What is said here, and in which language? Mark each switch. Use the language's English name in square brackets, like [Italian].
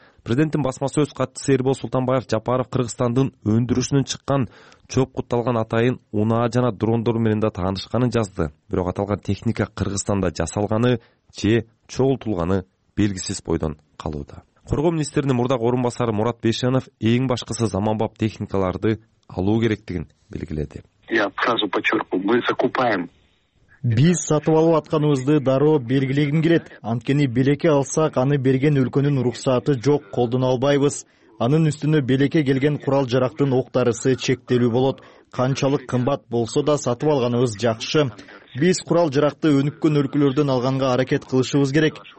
[Kyrgyz] Президенттин басма сөз катчысы Эрбол Султанбаев Жапаров Кыргызстандын өндүрүшүнөн чыккан чөп кутталган атайын унаа жана дрондор менен да таанышканын жазды. Бирок аталган техника Кыргызстанда жасалганы же чогултулганы белгисиз бойдон калууда. Коргоо министринин мурдагы орун басары Мурат Бейшенов эң башкысы заманбап техникаларды алуу керектигин белгиледи. [Russian] Я сразу подчеркну, мы закупаем. [Kyrgyz] Биз сатып алып атканыбызды дароо белгилегим келет. Анткени белеке алсак, аны берген өлкөнүн уруксаты жок, колдоно албайбыз. Анын үстүнө белеке келген курал-жарактын октарысы чектелүү болот. Канчалык кымбат болсо да сатып алганыбыз жакшы. Биз курал-жаракты өнүккөн өлкөлөрдөн алганга аракет кылышыбыз керек.